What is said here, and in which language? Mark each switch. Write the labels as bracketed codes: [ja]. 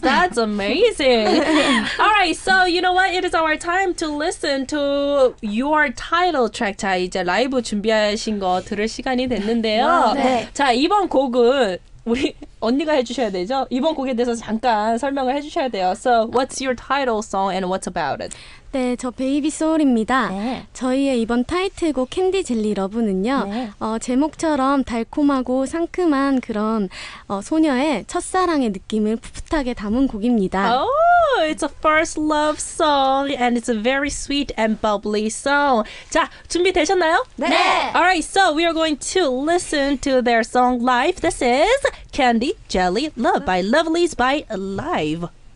[en] That's amazing. All right, so you know what? It is our time to listen to your title track. [ko] 자, 이제 라이브 준비하신 거 들을 시간이 됐는데요. 네. 자, 이번 곡은 우리 언니가 해주셔야 되죠. 이번 곡에 대해서 잠깐 설명을 해주셔야 돼요. [en] So what's your title song and what's about it? [ko] 네, 저 베이비 소울입니다. 네. 저희의 이번 타이틀곡 캔디 젤리 러브는요. 네. 제목처럼 달콤하고 상큼한 그런 소녀의 첫사랑의 느낌을 풋풋하게 담은 곡입니다. [en] Oh, it's a first love song and it's a very sweet and bubbly song. [ko] 자, 준비되셨나요? 네. [en] Alright, so we are going to listen to their song live. This is Candy Jelly Love by Lovelies by Live.